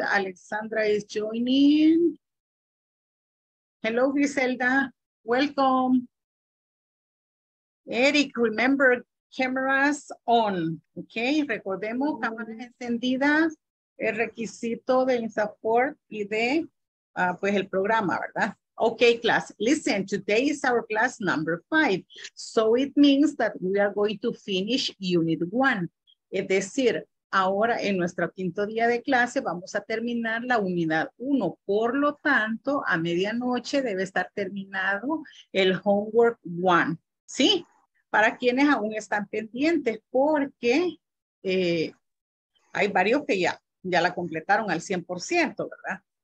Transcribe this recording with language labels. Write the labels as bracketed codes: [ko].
[en] Alexandra is joining. Hello, Griselda, welcome. Eric, remember, cameras on, okay? [es] Recordemos, cámaras encendidas, el requisito de INSAFORP y de, pues, el programa, ¿verdad? [en] Okay, class, listen, today is our class number 5. So it means that we are going to finish unit 1. [es] Es decir, ahora en nuestro quinto día de clase vamos a terminar la unidad 1. Por lo tanto, a medianoche debe estar terminado el homework 1, ¿sí? Para quienes aún están pendientes, porque hay varios que ya la completaron al 100%, ¿verdad?